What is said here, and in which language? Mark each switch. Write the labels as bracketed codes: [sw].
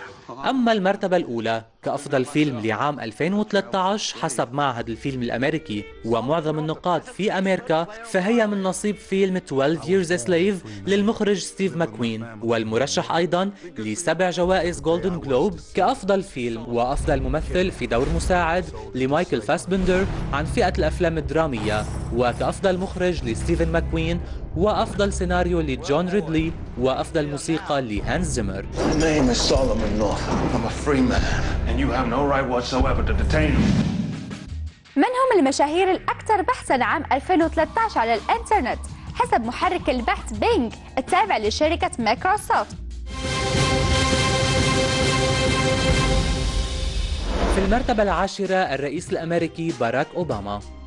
[ar] أما المرتبة الأولى كأفضل فيلم لعام 2013 حسب معهد الفيلم الأمريكي ومعظم النقاد في أمريكا، فهي من نصيب فيلم 12 Years a Slave للمخرج ستيف ماكوين، والمرشح أيضا لسبع جوائز جولدن جلوب كأفضل فيلم وأفضل ممثل في دور مساعد لمايكل فاسبندر عن فئة الأفلام الدرامية، وكأفضل مخرج لستيفن ماكوين، وأفضل سيناريو لجون ريدلي، وأفضل موسيقى لهانز زيمر. [en] And you have no right whatsoever to detain him. [ar] من هم المشاهير الأكثر بحثاً عام 2013 على الإنترنت حسب محرك البحث بينج التابع لشركة مايكروسوفت؟ في المرتبة العاشرة الرئيس الأمريكي باراك أوباما.